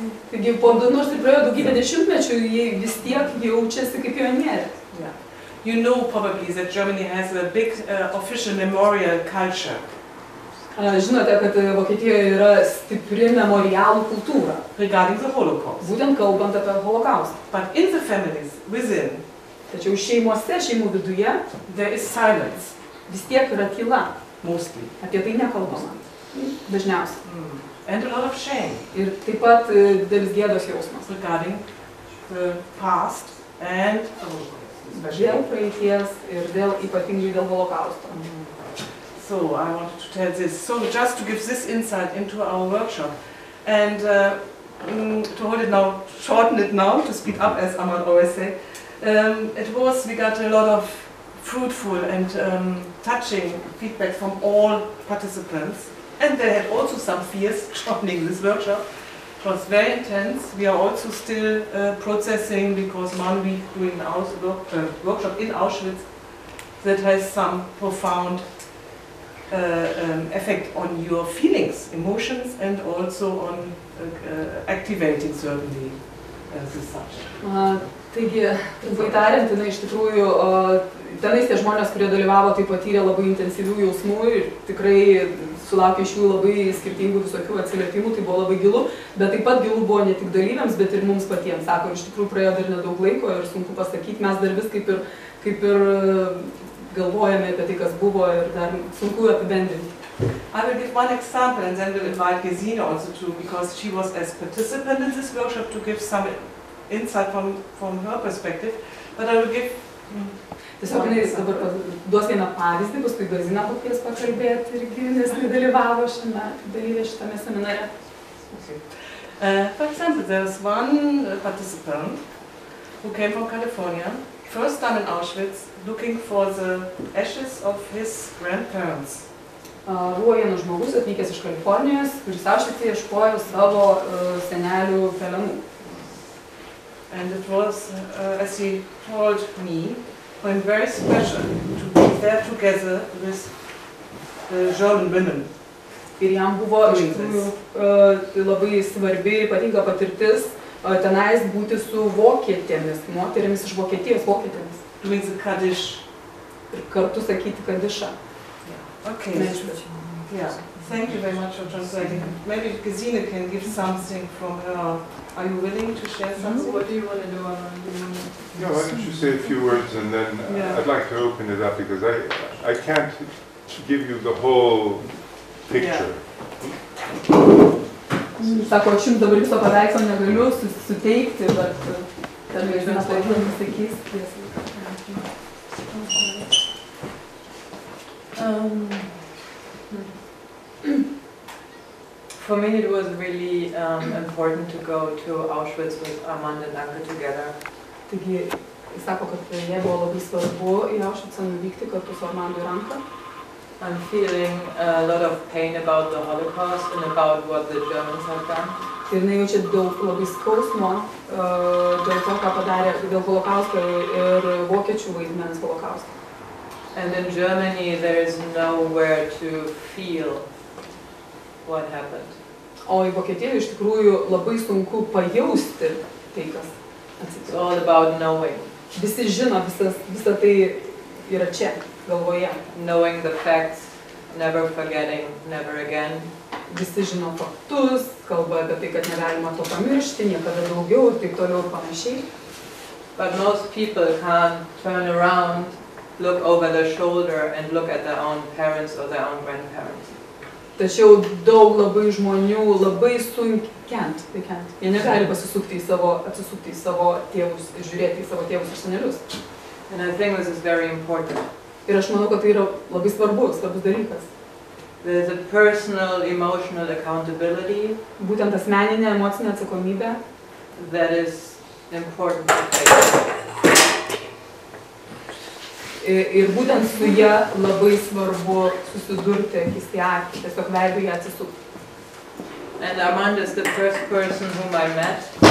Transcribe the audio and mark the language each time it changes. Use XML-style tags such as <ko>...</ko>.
<lt>Taigi po nors ir praėjo daugybę dešimtmečių, jie vis tiek jaučiasi kaip pionieriai.</lt> <en>You know probably that Germany has a big official memorial culture.</en> <lt>Žinote, kad Vokietijoje yra stipri memorialų kultūra.</lt> <en>Regarding the Holocaust.</en> <lt>Būtent kalbant apie Holocaust.</lt> <en>But in the families, within.</en> <lt>Tačiau šeimose, šeimų viduje.</lt> <en>There is silence.</en> <lt>Vis tiek yra tyla.</lt> <en>Mostly.</en> <lt>Apie tai nekalbama. Dažniausiai. Mm.</lt> <en>And a lot of shame.</en> <lt>Ir taip pat didelis gėdos jausmas.</lt> <en>Regarding the past and the Holocaust.</en> <lt>Dėl praeities ir dėl ypatingai dėl Holokausto.</lt> <en>So I wanted to tell this. So just to give this insight into our workshop and to hold it now, shorten it now, to speed up as Amal always say. It was, we got a lot of fruitful and touching feedback from all participants and they had also some fears shortening this workshop. It was very intense. We are also still processing because one week doing a workshop in Auschwitz that has some profound effect on your feelings, emotions and also on activating certainly this subject.</en> <lt>Taigi, trumpai tariant, tenai iš tikrųjų, tenais tie žmonės, kurie dalyvavo, tai patyrė labai intensyvių jausmų ir tikrai sulaukė iš jų labai skirtingų visokių atsiliepimų, tai buvo labai gilu, bet taip pat gilu buvo ne tik dalyviams, bet ir mums patiems, sako, iš tikrųjų praėjo dar nedaug laiko ir sunku pasakyti, mes dar vis kaip ir galvojame apie tai, kas buvo ir dar sunku apibendrinti.</lt> <en>I will give one example and then we'll invite Gesine also to, because she was as participant in this workshop to give some insight from her perspective, but I will give...</en> <lt>Tiesiog jis dabar duos vieną pavyzdį, paskui Gesine pakvies pakalbėti irgi, nes jis dalyvavo šitame seminare.</lt> <en>For example, there's one participant who came from California, first time in Auschwitz, looking for the ashes of his grandparents.</en> <lt>Buvo vienas žmogus atvykęs iš Kalifornijos, kuris Auschwitze ieškojo savo senelių pelenų.</lt> <en>And it was, as he told me, when very special to be there together with the German women.</en> <lt>Ir jam buvo labai svarbi ir ypatinga patirtis tenais būti su vokietėmis, moterimis iš Vokietijos, vokietėmis.</lt> <en>Means Kaddish.</en> <lt>Ir kartu sakyti Kaddišą.</lt> <en>Okay. Thank you very much for translating. Maybe Gesine can give something from her. Are you willing to share something? Mm-hmm. What do you want to do? Yeah, why don't you say a few words and then I'd like to open it up because I can't give you the whole picture.</en> <lt>Sako, aš jums dabar viso paveikslo negaliu suteikti, bet ten vienas laikas pasakys.</lt> <en>For me it was really important to go to Auschwitz with Amanda and Anka together.</en> <lt>Taigi, jis sako, kad jie buvo labai svarbu į Auschwitz nuvykti kartu su Amanda ir Anka.</lt> <en>I'm feeling a lot of pain about the Holocaust and about what the Germans have done.</en> <lt>Ir nejaučia daug labai skausmo dėl to, ką padarė dėl Holokausto ir vokiečių vaidmens Holokausto.</lt> <en>And in Germany there is nowhere to feel what happened.</en> <lt>O į Vokietiją iš tikrųjų labai sunku pajausti tai, kas atsitiko.</lt> <en>It's all about knowing.</en> <lt>Visi žino, visa tai yra čia. Galvoje.</lt> <en>Knowing the facts, never forgetting, never again.</en> <lt>Visi žino faktus, kalba apie tai, kad negalima to pamiršti, niekada daugiau ir taip toliau ir panašiai.</lt> <en>But most people can't turn around, look over their shoulder and look at their own parents or their own grandparents.</en> <lt>Tačiau daug labai žmonių labai can't. Jie negali atsisukti į savo tėvus ir žiūrėti į savo tėvus ir senelius.</lt> <en>And I think this is very important.</en> <lt>Ir aš manau, kad tai yra labai svarbus dalykas.</lt> <en>There's a personal emotional accountability.</en> <lt>Būtent asmeninė emocinė atsakomybė.</lt> <en>That is important.</en> <lt>Ir būtent su ja labai svarbu susidurti, jis ją tiesiog veidu ją atsisukti.</lt> <en>And Amanda is the first person whom I met.</en>